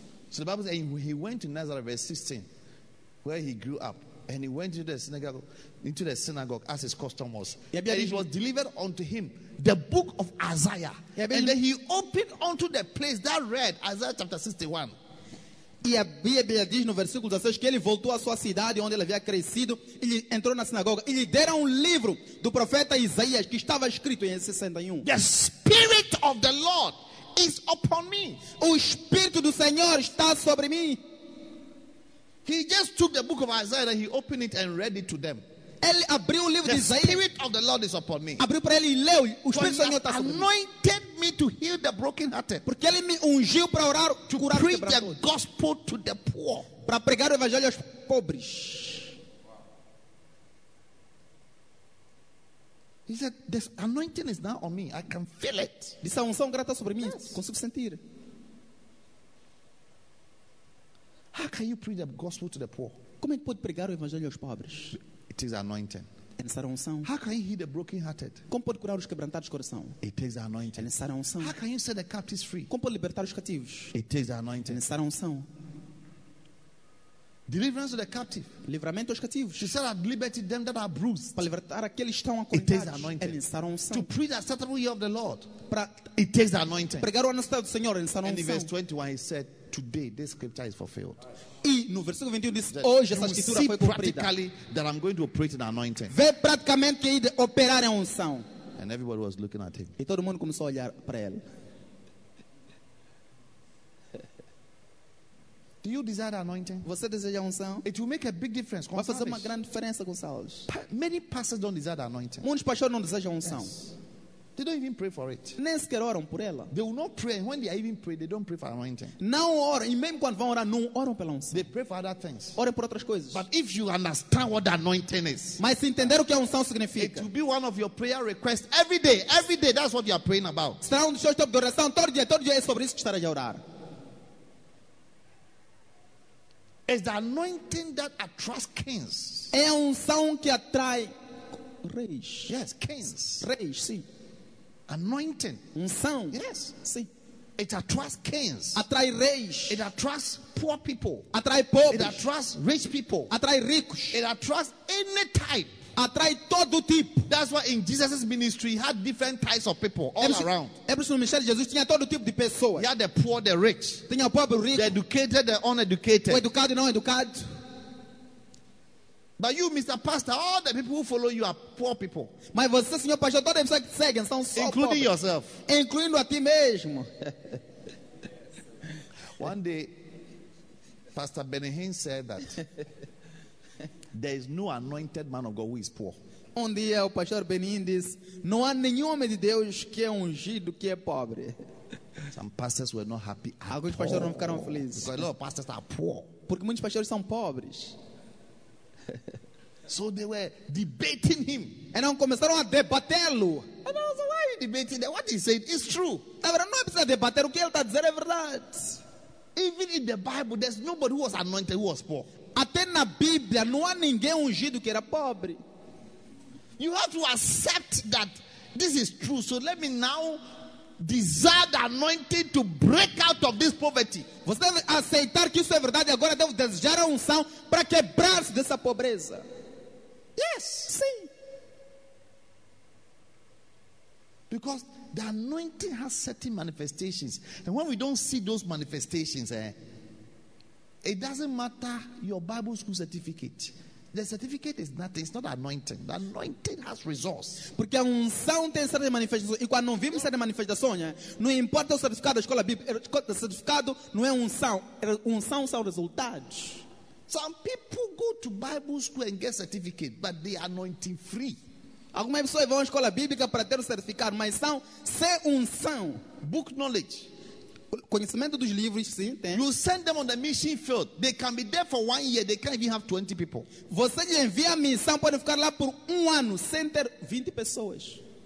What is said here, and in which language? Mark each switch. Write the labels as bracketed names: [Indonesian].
[English] So the Bible says, and he went to Nazareth, verse 16, where he grew up. And he went into the synagogue, as his custom was. And it was delivered unto him, the book of Isaiah. And then he opened unto the place that read, Isaiah chapter 61. [Portuguese] E a Bíblia diz no versículo 16 que ele voltou à sua cidade onde ele havia crescido e ele entrou na sinagoga e lhe deram um livro do profeta Isaías que estava escrito em 61. [English] The Spirit of the Lord is upon me. [Portuguese] O Espírito do Senhor está sobre mim. [English] He just took the book of Isaiah and he opened it and read it to them. [Portuguese] Ele abriu o livro [English] the [Portuguese] de Isaías. [English] The Spirit of the Lord is upon me. [Portuguese] Abriu para ele e leu. O Espírito do Senhor está sobre mim. [English] Anointed me to heal the brokenhearted. [Portuguese] Porque ele me ungiu para orar, [English] to [Portuguese] curar os quebrantados. [English] Preach the gospel to the poor. [Portuguese] Para pregar o evangelho aos pobres. [English] He said, "This anointing is now on me. I can feel it." [Portuguese] Disse, a unção grata sobre mim. Yes. Consigo sentir. [English] How can you preach the gospel to the poor? [Portuguese] Como é que pode pregar o evangelho aos pobres? [English] It is anointing. [Portuguese] É necessária unção. [English] How can you heal the brokenhearted? [Portuguese] Como pode curar os quebrantados de coração? [English] It is anointing. [Portuguese] É necessária unção. [English] How can you set the captives free? [Portuguese] Como pode libertar os cativos? [English] It is anointing. [Portuguese] É necessária unção. [English] Deliverance of the captive. [Portuguese] Livramento aos cativos. [English] She set at liberty them that are bruised. [Portuguese] Para libertar aqueles que estão acorrentados. [English] It takes anointing. To preach the acceptable year of the Lord. [Portuguese] Para [English] it takes anointing. [Portuguese] Pregar o ano santo do Senhor. [English] And in verse 21 he said, today this scripture is fulfilled. [Portuguese] E no versículo 21 diz, hoje essa escritura foi cumprida. [English] You see practically that I'm going to operate in anointing. [Portuguese] Vê praticamente que ele operar em unção. [English] And everybody was looking at him. [Portuguese] E todo mundo começou a olhar para ele. [English] Do you desire anointing? [Portuguese] Você deseja unção? [English] It will make a big difference. [Portuguese] Vai fazer uma grande diferença com Saulo. [English] Many pastors don't desire anointing. [Portuguese] Muitos pastores não desejam unção. [English] Yes. They don't even pray for it. [Portuguese] Nem sequer oram por ela. [English] They will not pray. When they even pray, they don't pray for anointing. [Portuguese] Não oram. E mesmo quando vão orar, não oram pela unção. [English] They pray for other things. [Portuguese] Oram por outras coisas. [English] But if you understand what the anointing is, [Portuguese] mas se entender o que a unção significa, [English] it will be one of your prayer requests every day. Every day, that's what you are praying about. [Portuguese] Será um dos seus tópicos de oração todo dia é sobre isso que estarás a orar. [English] It's the anointing that attracts kings. [Portuguese] É a unção que atrai reis. [English] Yes, kings. [Portuguese] Reis, sim. [English] Anointing. [Portuguese] Unção. [English] Yes. [Portuguese] Sim. [English] It attracts kings. [Portuguese] Atrai reis. [English] It attracts poor people. [Portuguese] Atrai pobres. [English] It attracts rich people. [Portuguese] Atrai ricos. [English] It attracts any type. [Portuguese] Atrai todo tipo. [English] That's why in Jesus' ministry, he had different types of people all around. [Portuguese] Ebreus no ministério de Jesus tinha todo tipo de pessoas. [English] He had the poor, the rich. [Portuguese] Tinha o pobre, o rico. [English] The educated, the uneducated. [Portuguese] O educado e não educado. [English] But you, Mr. Pastor, all the people who follow you are poor people. [Portuguese] Mas você, senhor pastor, todos eles que seguem são só pobres. [English] Including yourself. [Portuguese] Incluindo a ti mesmo. [English] One day, Pastor Benihin said that there is no anointed man of God who is poor. [Portuguese] Um dia o pastor Benihin disse, não há nenhum homem de Deus que é ungido que é pobre. [English] Some pastors were not happy at all. [Portuguese] Alguns pastores não ficaram felizes. [English] Because a lot of pastors are poor. [Portuguese] Porque muitos pastores são pobres. [English] So they were debating him. And [Portuguese] não começaram a debatê-lo. [English] And I was like, why are you debating that? What he said is true. [Portuguese] Na verdade, não é preciso debater o que ele está dizendo, é verdade. [English] Even in the Bible, there's nobody who was anointed who was poor. [Portuguese] Até na Bíblia, não há ninguém ungido que era pobre. [English] You have to accept that this is true. So let me now desire the anointing to break out of this poverty. [Portuguese] Você deve aceitar que isso é verdade. Agora devo desejar a unção para quebrar-se dessa pobreza. [English] Yes. [Portuguese] Sim. [English] Because the anointing has certain manifestations. And when we don't see those manifestations, it doesn't matter your Bible school certificate. The certificate is nothing. It's not anointing. The anointing has resource. [Portuguese] Porque a unção tem certas manifestações. E quando não vimos certas manifestações, não importa o certificado da escola bíblica. O certificado não é unção. Unção são resultados. [English] Some people go to Bible school and get certificate, but they are anointing free. [Portuguese] Algumas pessoas vão à escola bíblica para ter o certificado, mas são sem unção. [English] Book knowledge. [Portuguese] Conhecimento dos livros, sim, tem. [English] You send them on the mission field. They can be there for 1 year. They can't even have 20 people. [Portuguese] Você envia a missão, pode ficar lá por um ano sem ter 20 pessoas.